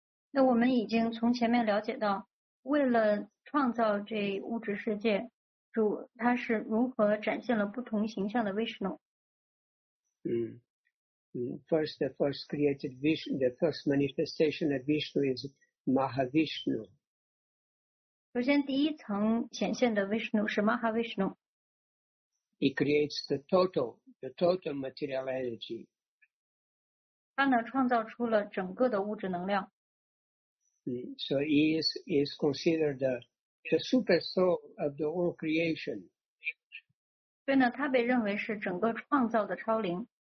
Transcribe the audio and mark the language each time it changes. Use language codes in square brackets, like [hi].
[zh] 那我们已经从前面了解到，为了创造这物质世界，主他是如何展现了不同形象的 Vishnu？ [en] First, the first created Vishnu, the first manifestation of Vishnu is Mahavishnu. [zh] 首先，第一层显现的 Vishnu 是 Mahavishnu。 [en] He creates the total material energy. [zh] 他呢，创造出了整个的物质能量。 [en] So he is considered the super soul of the whole creation. [zh] 对呢，他被认为是整个创造的超灵。